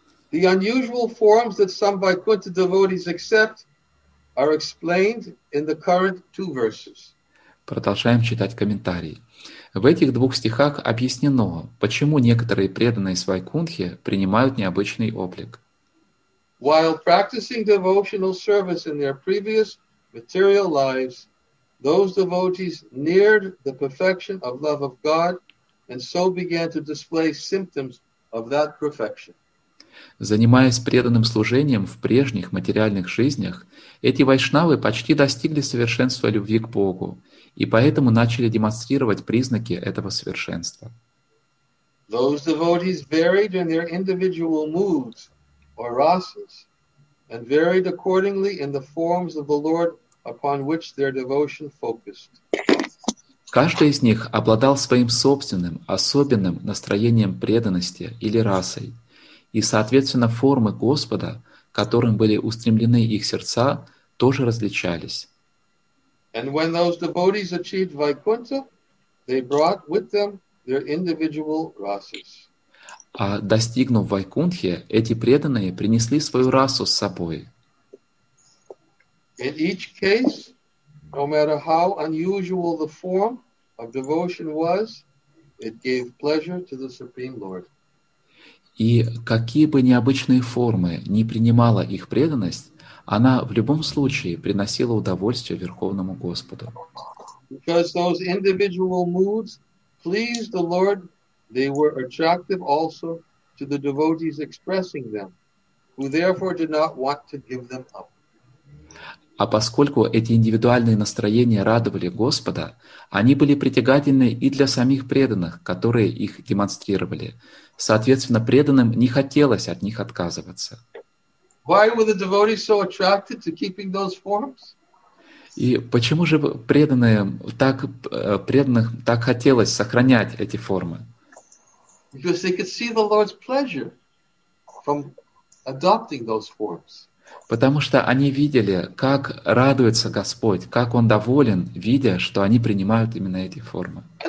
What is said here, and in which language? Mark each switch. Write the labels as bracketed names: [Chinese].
[English] The unusual forms that some Vaikuntha devotees accept are explained in the current two verses. [Russian] Продолжаем читать комментарий. В этих двух стихах объяснено, почему некоторые преданные с Вайкунтхи принимают необычный облик. [English] While practicing devotional service in their previous material lives, those devotees neared the perfection of love of God and so began to display symptoms of that perfection. [Russian] Занимаясь преданным служением в прежних материальных жизнях, эти вайшнавы почти достигли совершенства любви к Богу и поэтому начали демонстрировать признаки этого совершенства. [English] Those devotees varied in their individual moods or rasas and varied accordingly in the forms of the Lord upon which their devotion focused. [Russian] Каждый из них обладал своим собственным, особенным настроением преданности или расой, и, соответственно, формы Господа, которым были устремлены их сердца, тоже различались. [English] And when those devotees achieved Vaikuntha, they brought with them their individual rasas. [Russian] А достигнув Вайкунтхе, эти преданные принесли свою расу с собой. [English] In each case, no matter how unusual the form of devotion was, it gave pleasure to the Supreme Lord. [Russian] И какие бы необычные формы ни принимала их преданность, она в любом случае приносила удовольствие Верховному Господу. [English] Because those individual moods pleased the Lord, they were attractive also to the devotees expressing them, who therefore did not want to give them up. [Russian] А поскольку эти индивидуальные настроения радовали Господа, они были притягательны и для самих преданных, которые их демонстрировали. Соответственно, преданным не хотелось от них отказываться. [English] Why were the devotees so attracted to keeping those forms? [Russian] И почему же преданных так хотелось сохранять эти формы? [English] Because they could see the Lord's pleasure from adopting those forms. [Russian] Потому что они видели, как радуется Господь, как Он доволен, видя, что они принимают именно эти формы.